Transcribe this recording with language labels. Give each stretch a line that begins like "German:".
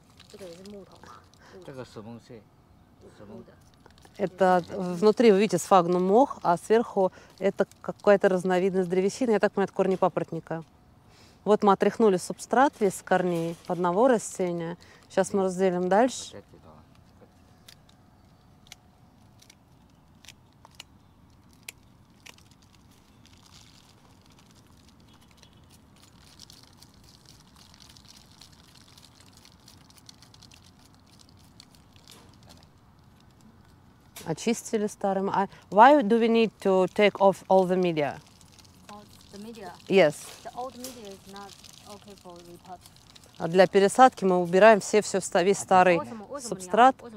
Chinese: 这个是木头。这个是木屑。
Russian: Это внутри, вы видите, сфагнум мох, а сверху это какая-то разновидность древесины. Я так понимаю, это корни папоротника. Вот мы отряхнули субстрат весь корней одного растения. Сейчас мы разделим дальше. Очистили старым.
English: Why do we need to take off all the media? The media? Yes. The old media is not okay for repot.
Russian: А для пересадки мы убираем все весь старый субстрат.